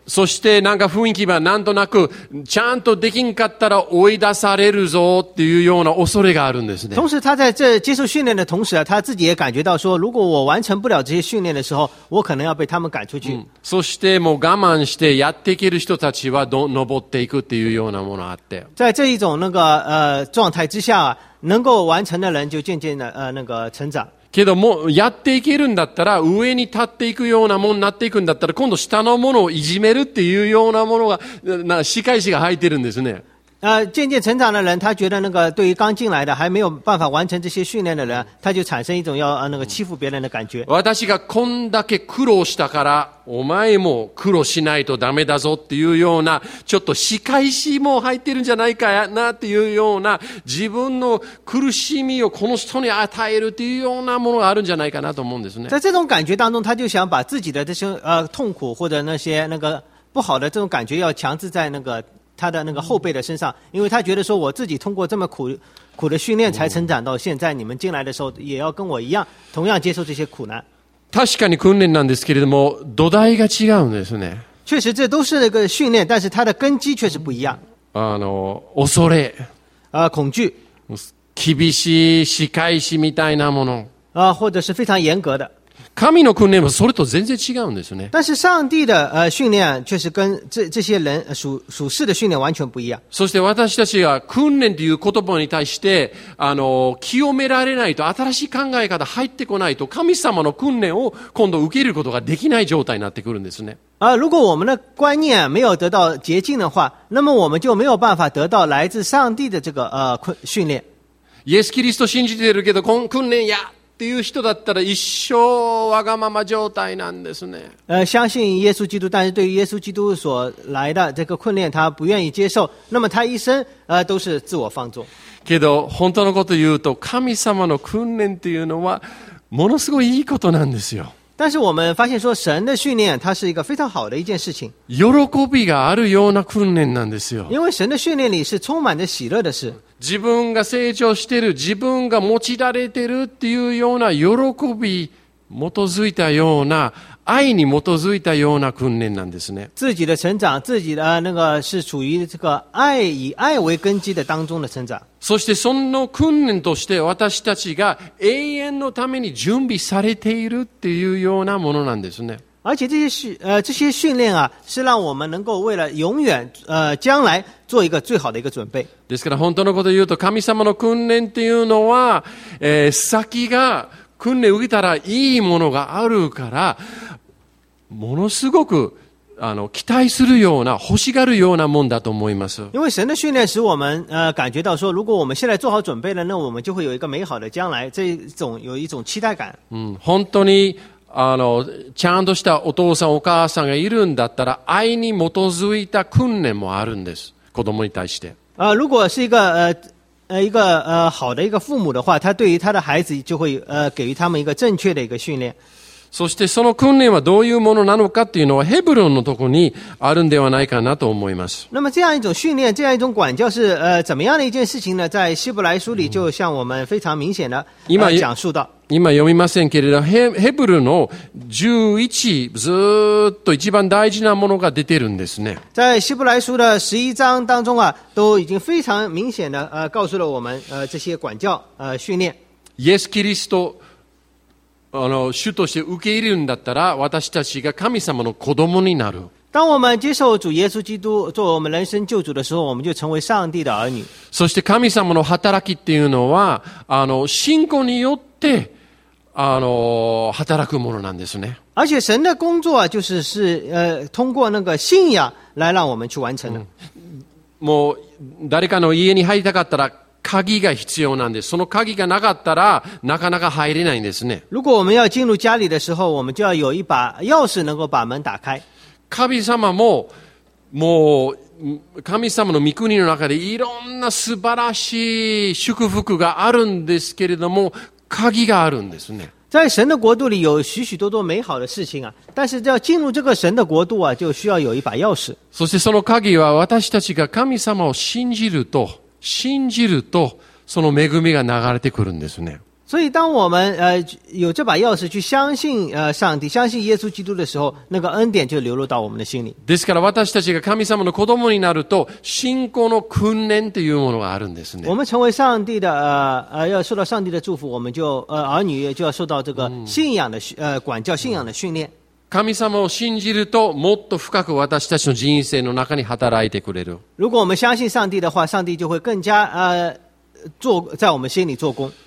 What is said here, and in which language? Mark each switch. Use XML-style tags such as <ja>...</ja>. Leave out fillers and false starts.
<ja>そしてなんか雰囲気はなんとなくちゃんとできんかったら追い出されるぞっていうような恐れがあるんですね。</ja> <zh>同时他在这接受训练的同时，他自己也感觉到说，如果我完成不了这些训练的时候，我可能要被他们赶出去。</zh> <ja>そしてもう我慢してやっていける人たちは登っていくっていうようなものがあって。</ja> <zh>在这一种那个状态之下，能够完成的人就渐渐的那个成长。</zh> <ja>けどもやっていけるんだったら上に立っていくようなものになっていくんだったら今度下のものをいじめるっていうようなものがな仕返しが入ってるんですね。</ja> <zh>渐渐成长的人，他觉得那个对于刚进来的还没有办法完成这些训练的人，他就产生一种要那个欺负别人的感觉。</zh> <ja>私がこんだけ苦労したから、お前も苦労しないとダメだぞっていうようなちょっと仕返しも入ってるんじゃないかなっていうような自分の苦しみをこの人に与えるっていうようなものがあるんじゃないかなと思うんですね。</ja> <zh>在这种感觉当中，他就想把自己的这些痛苦或者那些那个不好的这种感觉要强制在那个。他的那个后辈的身上，因为他觉得说我自己通过这么苦的训练才成长到现在，你们进来的时候也要跟我一样，同样接受这些苦难。</zh> <ja>確かに訓練なんですけれども、土台が違うんですね。</ja> <zh>确实，这都是那个训练，但是它的根基确实不一样。</zh> <ja>恐れ。</ja> <zh>恐惧。</zh> <ja>厳しい仕返しみたいなもの。</ja> <zh>或者是非常严格的。</zh> <ja>神の訓練はそれと全然違うんですよね。</ja> <zh>但是上帝的訓練确实跟 这些人 属世的訓練完全不一样。</zh> <ja>そして私たちが訓練という言葉に対して、清められないと新しい考え方入ってこないと神様の訓練を今度受けることができない状態になってくるんですね。</ja> <zh>如果我们的观念没有得到洁净的话，那么我们就没有办法得到来自上帝的这个训练。</zh> <ja>イエス・キリスト信じてるけど訓練やっていう人だったら一生わがまま状態なんですね。</ja> <zh>相信耶稣基督，但是对耶稣基督所来的这个训练，他不愿意接受，那么他一生都是自我放纵。</zh> <ja>けど本当のこと言うと、神様の訓練っていうのはものすごいいいことなんですよ。</ja> <zh>但是我们发现说，神的训练它是一个非常好的一件事情。</zh> <ja>喜びがあるような訓練なんですよ。</ja> <zh>因为神的训练里是充满着喜乐的事。</zh> <ja>自分が成長してる、自分が用いられてるっていうような喜び基づいたような愛に基づいたような訓練なんですね。</ja> <zh>自己的成长，自己的那个是处于这个爱以爱为根基的当中的成长。</zh> <ja>そしてその訓練として私たちが永遠のために準備されているっていうようなものなんですね。</ja> <zh>而且这些训练啊，是让我们能够为了永远将来做一个最好的一个准备。</zh> <ja>ですから本当のこと言うと、神様の訓練っていうのは、先が訓練を受けたらいいものがあるから、ものすごく期待するような欲しがるようなもんだと思います。</ja> <zh>因为神的训练使我们感觉到说，如果我们现在做好准备了，那我们就会有一个美好的将来，这种有一种期待感。</zh> <ja>本当にちゃんとしたお父さんお母さんがいるんだったら、愛に基づいた訓練もあるんです、子供に対して。</ja> <zh>如果是一个好的一个父母的话，他对于他的孩子就会给予他们一个正确的一个训练。</zh> <ja>そしてその訓練はどういうものなのかっていうのは、ヘブロンのところにあるんではないかなと思います。</ja> <zh>那么这样一种训练，这样一种管教是怎么样的一件事情呢？在希伯来书里就向我们非常明显的讲述到。</zh> <ja>今読みませんけれど、ヘブルの11、ずっと一番大事なものが出てるんですね。</ja> <zh>在希伯来书的11章当中啊，都已经非常明显的告诉了我们这些管教训练。</zh> <ja>イエス・キリスト主として受け入れるんだったら、私たちが神様の子供になる。</ja> <zh>当我们接受主耶稣基督做我们人生救主的时候，我们就成为上帝的儿女。</zh> <ja>そして神様の働きっていうのは、信仰によって働くものなんですね。</ja> <zh>而且神的工作就是通过那个信仰来让我们去完成的。</zh> <ja>もう誰かの家に入りたかったら鍵が必要なんです。その鍵がなかったらなかなか入れないんですね。</ja> <zh>如果我们要进入家里的时候，我们就要有一把钥匙能够把门打开。</zh> <ja>神様も、もう神様の御国の中でいろんな素晴らしい祝福があるんですけれども、鍵があるんですね。</ja> <zh>在神的国度里有许许多多美好的事情啊，但是要进入这个神的国度啊，就需要有一把钥匙。</zh> <ja>そしてその鍵は私たちが神様を信じると、その恵みが流れてくるんですね。</ja> <zh>所以当我们有这把钥匙去相信上帝，相信耶稣基督的时候，那个恩典就流入到我们的心里。</zh> <ja>ですから私たちが神様の子供になると、信仰の訓練というものがあるんですね。</ja> <zh>我们成为上帝的要受到上帝的祝福，我们就儿女就要受到这个信仰的管教，信仰的训练。</zh> <ja>神様を信じると、もっと深く私たちの人生の中に働いてくれる。</ja> <zh>如果我们相信上帝的话，上帝就会更加在我们心里做工。</zh>